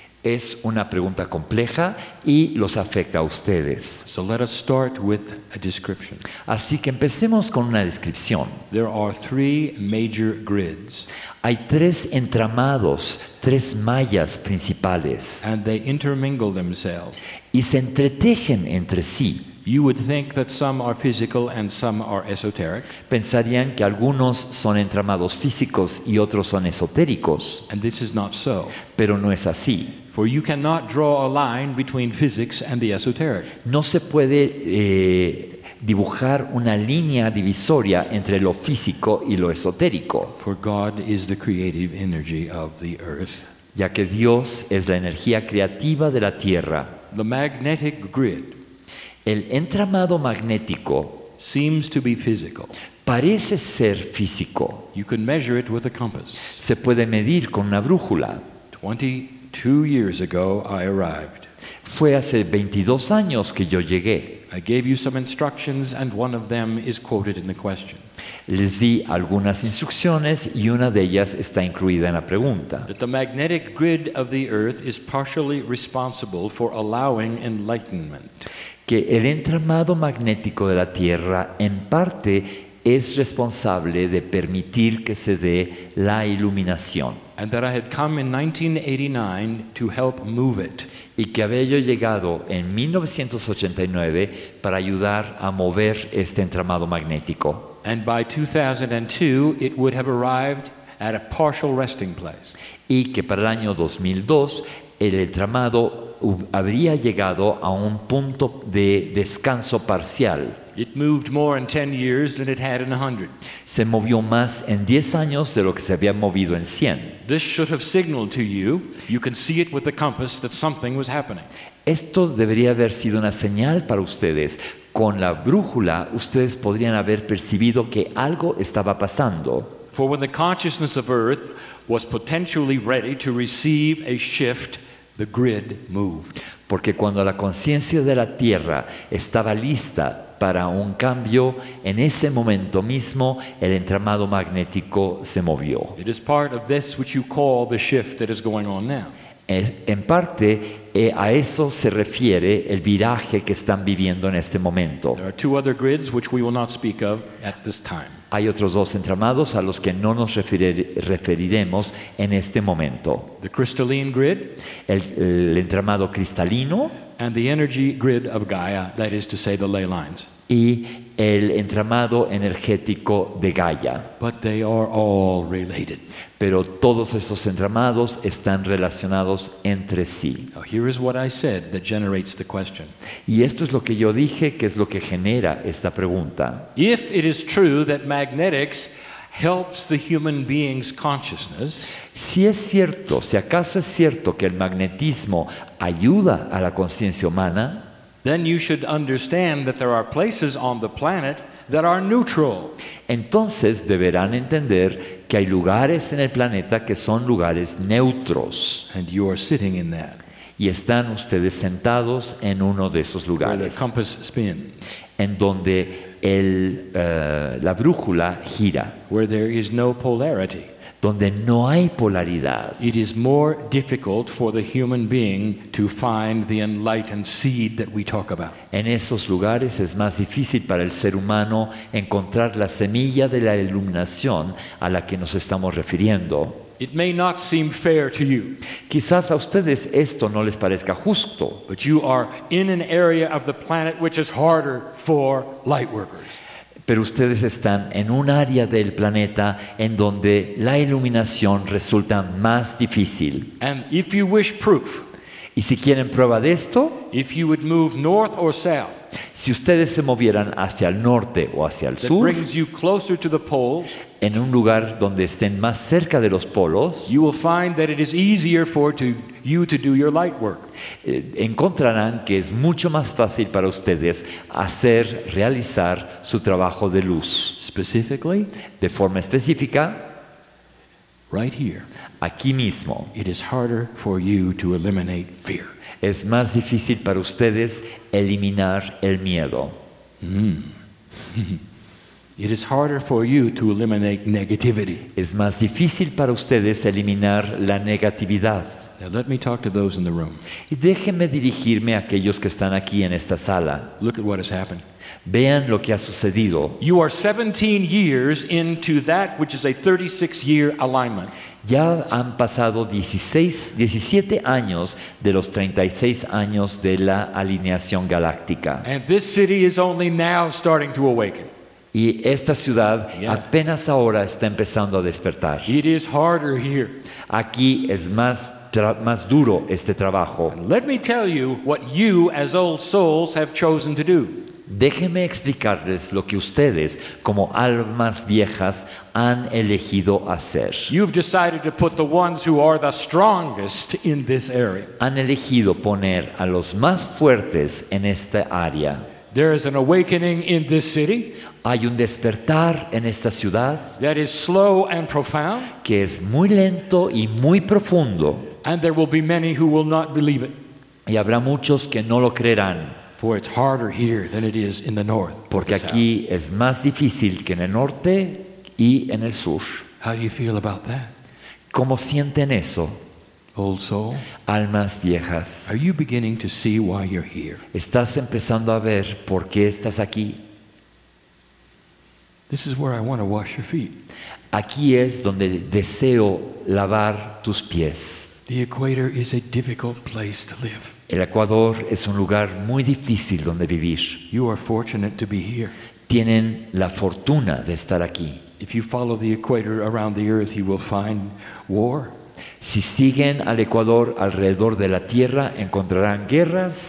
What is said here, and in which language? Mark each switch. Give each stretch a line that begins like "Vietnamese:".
Spanish: Es una pregunta compleja y los afecta a ustedes.
English: So let us start with a description.
Spanish: Así que empecemos con una descripción.
English: There are three major grids.
Spanish: Hay tres entramados, tres mallas principales.
English: And they intermingle themselves.
Spanish: Y se entretejen entre sí.
English: You would think that some are physical and some are esoteric.
Spanish: Pensarían que algunos son entramados físicos y otros son esotéricos.
English: And this is not so.
Spanish: Pero no es así.
English: For you cannot draw a line between physics and the esoteric.
Spanish: No se puede dibujar una línea divisoria entre lo físico y lo esotérico.
English: For God is the creative energy of the earth.
Spanish: Ya que Dios es la energía creativa de la tierra.
English: The magnetic grid.
Spanish: El entramado magnético
English: seems to be physical.
Spanish: Parece ser físico.
English: You can measure it with a compass.
Spanish: Se puede medir con una brújula.
English: 22 years ago I arrived.
Spanish: Fue hace 22 años que yo llegué.
English: I gave you some instructions and one of them is quoted in the question.
Spanish: Les di algunas instrucciones y una de ellas está incluida en la pregunta.
English: That the magnetic grid of the earth is partially responsible for allowing enlightenment.
Spanish: Que el entramado magnético de la Tierra en parte es responsable de permitir que se dé la iluminación.
English: And that I had come in 1989 to help move it.
Spanish: Y que había yo llegado en 1989 para ayudar a mover este entramado magnético.
English: And by 2002 it would have arrived at a partial resting place.
Spanish: Y que para el año 2002 el entramado habría llegado a un punto de descanso parcial.
English: It moved more in 10 years than it had in 100.
Spanish: Se movió más en 10 años de lo que se había movido en 100.
English: This should have signaled to you, you can see it with the compass, that something was happening.
Spanish: Esto debería haber sido una señal para ustedes. Con la brújula, ustedes podrían haber percibido que algo estaba pasando.
English: For when the consciousness of Earth was potentially ready to receive a shift, the grid moved.
Spanish: Porque cuando la conciencia de la Tierra estaba lista para un cambio, en ese momento mismo el entramado magnético se movió.
English: It is part of this which you call the shift that is going on now.
Spanish: En parte, a eso se refiere el viraje que están viviendo en este momento.
English: There are two other grids which we will not speak of at this time.
Spanish: Hay otros dos entramados a los que no nos referiremos en este momento.
English: The crystalline grid,
Spanish: el entramado cristalino,
English: and the energy grid of Gaia, that is to say the ley lines.
Spanish: Y el entramado energético de Gaia.
English: But they are all related.
Spanish: Pero todos esos entramados están relacionados entre sí.
English: Now, here is what I said that generates the question.
Spanish: Y esto es lo que yo dije que es lo que genera esta pregunta.
English: If it is true that magnetics helps the human being's consciousness,
Spanish: si es cierto, si acaso es cierto que el magnetismo ayuda a la conciencia humana,
English: then you should understand that there are places on the planet that are neutral.
Spanish: Entonces deberán entender que hay lugares en el planeta que son lugares neutros.
English: And you are sitting in that.
Spanish: Y están ustedes sentados en uno de esos lugares.
English: Where the compass spins.
Spanish: En donde la brújula gira.
English: Where there is no polarity.
Spanish: Donde no hay polaridad.
English: It is more difficult for the human being to find the enlightened seed that we talk about.
Spanish: En esos lugares es más difícil para el ser humano encontrar la semilla de la iluminación a la que nos estamos refiriendo.
English: It may not seem fair to you.
Spanish: Quizás a ustedes esto no les parezca justo.
English: But you are in an area of the planet which is harder for light workers.
Spanish: Pero ustedes están en un área del planeta en donde la iluminación resulta más difícil.
English: And if you wish proof,
Spanish: y si quieren prueba de esto,
English: if you would move north or south,
Spanish: si ustedes se movieran hacia el norte o hacia el sur,
English: that brings you closer to the pole,
Spanish: en un lugar donde estén más cerca de los polos,
English: you will find that it is easier for you to do your light work.
Spanish: Encontrarán que es mucho más fácil para ustedes hacer realizar su trabajo de luz.
English: Specifically,
Spanish: de forma específica,
English: right here,
Spanish: aquí mismo,
English: it is harder for you to eliminate fear.
Spanish: Es más difícil para ustedes eliminar el miedo.
English: It is harder for you to eliminate negativity.
Spanish: Es más difícil para ustedes eliminar la negatividad.
English: Now let me talk to those in the room.
Spanish: Y déjenme dirigirme a aquellos que están aquí en esta sala.
English: Look at what has happened.
Spanish: Vean lo que ha sucedido.
English: You are 17 years into that which is a 36-year alignment.
Spanish: Ya han pasado 17 años de los 36 años de la alineación galáctica.
English: And this city is only now starting to awaken.
Spanish: Y esta ciudad apenas ahora está empezando a despertar.
English: It is harder here.
Spanish: Aquí es más duro este trabajo.
English: Let me tell you what you as old souls have chosen to do.
Spanish: Déjenme explicarles lo que ustedes como almas viejas han elegido hacer.
English: You've decided to put the ones who are the strongest in this area.
Spanish: Han elegido poner a los más fuertes en esta área.
English: There is an awakening in this city.
Spanish: Hay un despertar en esta ciudad
English: that is slow and profound,
Spanish: que es muy lento y muy profundo.
English: And there will be many who will not believe it.
Spanish: Y habrá muchos que no lo creerán.
English: For it's harder here than it is in the north.
Spanish: Porque aquí es más difícil que en el norte y en el sur.
English: How do you feel about that?
Spanish: ¿Cómo sienten eso?
English: Old soul,
Spanish: almas viejas.
English: Are you beginning to see why you're here?
Spanish: ¿Estás empezando a ver por qué estás aquí?
English: This is where I want to wash your feet.
Spanish: Aquí es donde deseo lavar tus pies.
English: The equator is a difficult place to live.
Spanish: El Ecuador es un lugar muy difícil donde vivir.
English: You are fortunate to be here.
Spanish: Tienen la fortuna de estar aquí.
English: If you follow the equator around the earth, you will find war.
Spanish: Si siguen al Ecuador alrededor de la Tierra, encontrarán guerras,